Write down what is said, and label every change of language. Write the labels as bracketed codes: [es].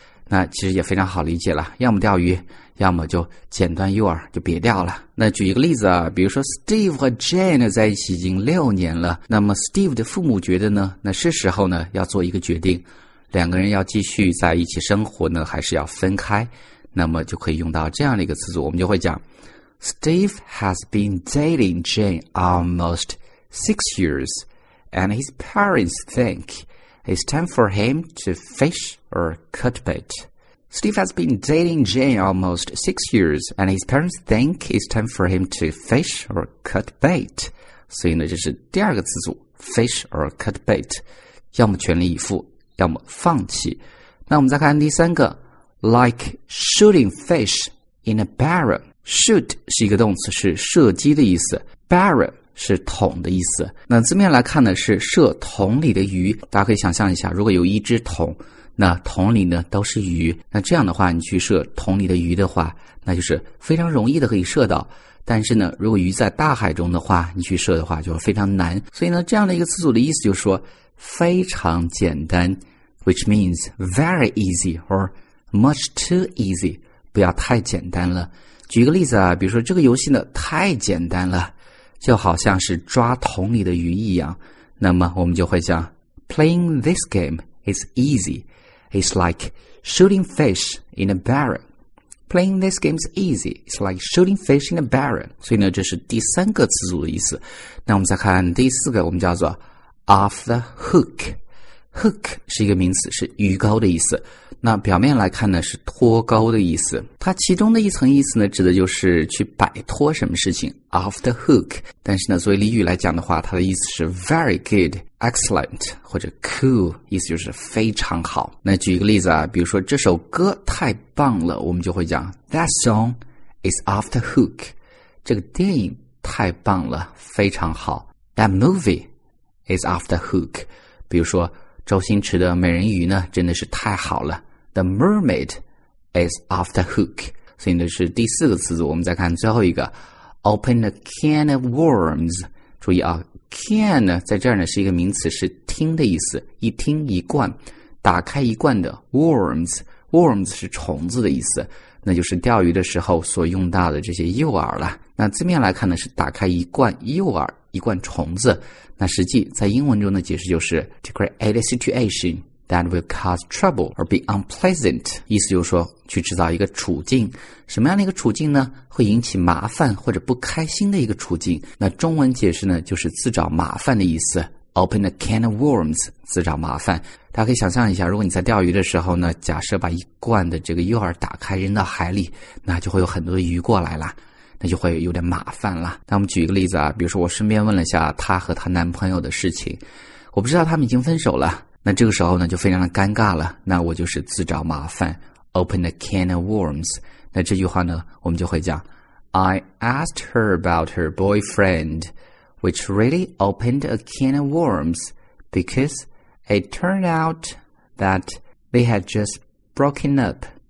[zh] 那其实也非常好理解了，要么钓鱼，要么就剪断诱饵，就别钓了。那举一个例子啊，比如说 Steve 和 Jane 在一起已经6年了，那么 Steve 的父母觉得呢，那是时候呢要做一个决定，两个人要继续在一起生活呢，还是要分开？那么就可以用到这样的一个词组，我们就会讲 [en] Steve has been dating Jane almost 6 years, and his parents think it's time for him to fish or cut bait. Steve has been dating Jane almost 6 years, and his parents think it's time for him to fish or cut bait. [zh] 所以呢，这是第二个词组 , [en] fish or cut bait, [zh] 要么全力以赴，要么放弃。那我们再看第三个 [en] ,like shooting fish in a barrel. [zh] Shoot 是一个动词，是射击的意思， barrel 是桶的意思。那字面来看呢，是射桶里的鱼。大家可以想象一下，如果有一只桶，那桶里呢都是鱼，那这样的话你去射桶里的鱼的话，那就是非常容易的可以射到。但是呢，如果鱼在大海中的话，你去射的话就非常难。所以呢，这样的一个词组的意思就是说非常简单， [en] which means very easy or much too easy， [zh] 不要太简单了。举一个例子啊，比如说这个游戏呢太简单了，就好像是抓桶里的鱼一样。那么我们就会讲 [en] playing this game is easyIt's like shooting fish in a barrel. Playing this game is easy. It's like shooting fish in a barrel. [zh] 所以呢，这是第三个词组的意思。那我们再看第四个，我们叫做 off the hook. Hook 是一个名词，是鱼钩的意思。那表面来看呢，是脱钩的意思。它其中的一层意思呢，指的就是去摆脱什么事情 ，off the hook。但是呢，作为俚语来讲的话，它的意思是 [en] very good、 [zh] excellent 或者 cool， 意思就是非常好。那举一个例子啊，比如说这首歌太棒了，我们就会讲 [en] that song is off the hook。 [zh] 这个电影太棒了，非常好。 [en] That movie is off the hook。 [zh] 比如说周星驰的《美人鱼》呢，真的是太好了。 [en] The mermaid is off the hook. [zh] 所以呢是第四个词组，我们再看最后一个 , [en] open a can of worms. [zh] 注意啊 ,can 呢在这儿呢是一个名词，是听的意思，一听一罐，打开一罐的 worms,worms 是虫子的意思，那就是钓鱼的时候所用到的这些诱饵了。那字面来看呢是打开一罐诱饵，一罐虫子，那实际在英文中的解释就是 [en] to create a situation,That will cause trouble or be unpleasant. [zh] 意思就是说，去制造一个处境，什么样的一个处境呢？会引起麻烦或者不开心的一个处境。那中文解释呢，就是自找麻烦的意思。 [en] Open a can of worms， [zh] 自找麻烦。大家可以想象一下，如果你在钓鱼的时候呢，假设把一罐的这个诱饵打开扔到海里，那就会有很多的鱼过来了，那就会有点麻烦了。那我们举一个例子啊，比如说我身边问了一下她和她男朋友的事情，我不知道他们已经分手了。那这个时候呢，就非常的尴尬了。那我就是自找麻烦 [en] ，open a can of worms。那这句话呢，我们就会讲 ，I asked her about her boyfriend, which really opened a can of worms because it turned out that they had just broken up.